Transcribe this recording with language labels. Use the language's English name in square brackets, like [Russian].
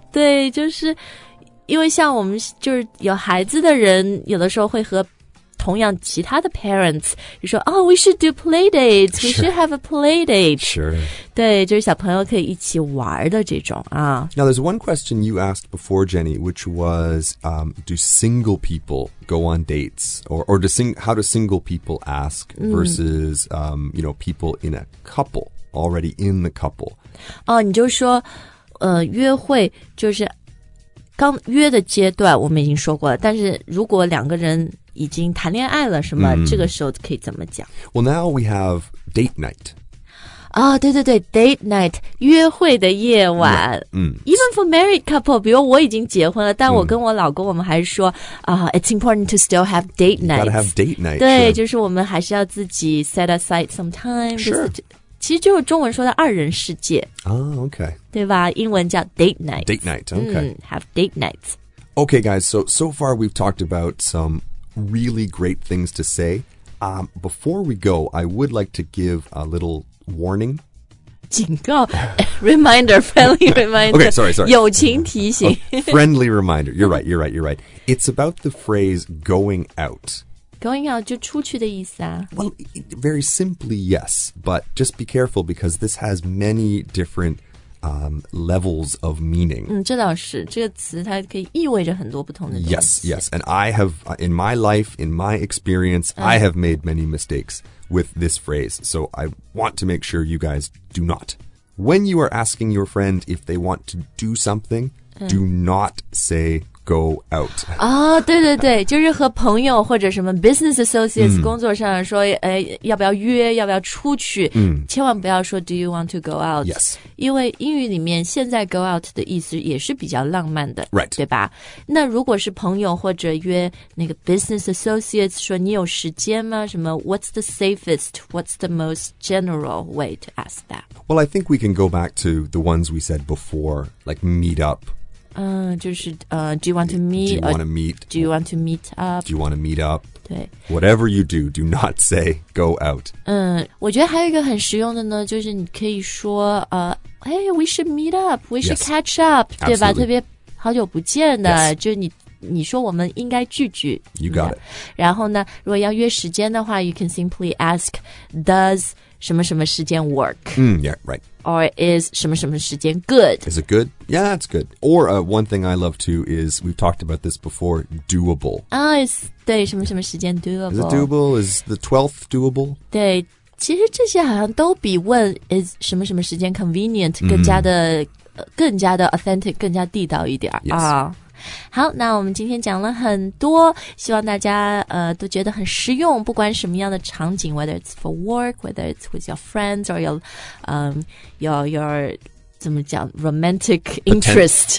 [Chinese] 对就是因为像我们就是有孩子的人有的时候会和同样其他的 parents, 就说 [English] Oh, we should do play date, we should have a play date. Sure. [Chinese] 对就是小朋友可以一起玩的这种啊。 [English] Now, there's one question you asked before, Jenny, which was, do single people... go on dates or to sing, how do single people ask versus、mm. You know people in a couple already in the couple [Chinese] 你就说约会就是刚约的阶段我们已经说过了但是如果两个人已经谈恋爱了什么、mm. 这个时候可以怎么讲 [English] well now we have date night [Chinese] 对对对 date night 约会的夜晚 [English] yeah,、mm. even for married couple [Chinese] 比如我已经结婚了但我跟我老公我们还是说、 [English] it's important to still have date night you gotta have date night [Chinese] 对、 [English] sure. [Chinese] 就是我们还是要自己 [English] set aside some time sure [Chinese] 其实就是中文说的二人世界 [English] okay [Chinese] 对吧英文叫 date night [English] date night okay、 have date nights okay guys so far we've talked about some really great things to say before we go I would like to give a littlewarning 警告 reminder friendly reminder okay sorry [Chinese] 友情提醒 [English] friendly reminder you're right it's about the phrase going out [Chinese] Going out 就出去的意思啊。 [English] Well, very simply, yes. But just be careful because this has many different、levels of meaning. [Chinese] 嗯，这倒是，这个词它可以意味着很多不同的东西。 [English] Yes, yes. And I have, in my life, in my experience,、I have made many mistakes with this phrase. So I want to make sure you guys do not. When you are asking your friend if they want to do something,、do not say,Go out. [Chinese] Oh, 对对对，就是和朋友或者什么 business associates 工作上说，哎，要不要约，要不要出去？千万不要说 [English] Do you want to go out? Yes. [Chinese] 因为英语里面现在 go out 的意思也是比较浪漫的 [English] ，right? [Chinese] 对吧？那如果是朋友或者约那个 business associates 说你有时间吗？ [English] 什么 What's the safest? What's the most general way to ask that? Well, I think we can go back to the ones we said before, like meet up. Do you want to meet? Do you want to meet? Do you want to meet up? Do you want to meet up? [Chinese] 对 [English] Whatever you do, do not say go out. [Chinese] 我觉得还有一个很实用的呢，就是你可以说 [English] Hey, we should meet up. We should catch up. [Chinese] 对吧？特别好久不见的，就是你说我们应该聚聚。 [English] You got it. [Chinese] 然后呢，如果要约时间的话 ， [English] you can simply ask, does [Chinese] 什么什么时间 work? [English] Yeah, right. Or is [Chinese] 什么什么时间 [English] good? Is it good? Yeah, that's good. Or、one thing I love too is, we've talked about this before, doable. Oh, it's [Chinese] 对什么什么时间 [English] doable. Is it doable? Is the 12th doable? [Chinese] 对其实这些好像都比问 is 什么什么时间 convenient 更加的 authentic, 更加地道一点。 [English] Yes.、 [Chinese] 好那我们今天讲了很多希望大家、都觉得很实用不管什么样的场景 [English] whether it's for work, whether it's with your friends or your [Chinese] 怎么讲 [English] romantic interest